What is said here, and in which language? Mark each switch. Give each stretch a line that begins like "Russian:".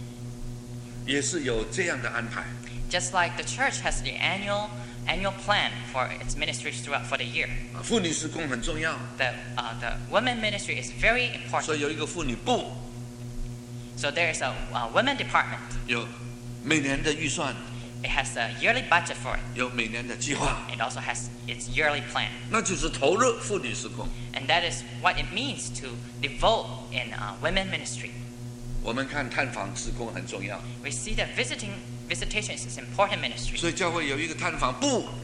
Chinese: 好像教会对妇女事工也是有这样的安排。
English: Just like the church has the annual plan for its ministry throughout for the year.
Chinese: 妇女事工很重要。
English: The women ministry is very important.
Chinese: 所以有一个妇女部。
English: So there is a women department.
Chinese: 有每年的预算。
English: It has a yearly budget for it.
Chinese: 有每年的计划。
English: It also has its yearly plan.
Chinese: 那就是投入妇女事工。
English: And that is what it means to devote in women ministry.
Chinese: 我们看探访事工很重要。
English: We see that visitation is important ministry.
Chinese: 所以教会有一个探访部。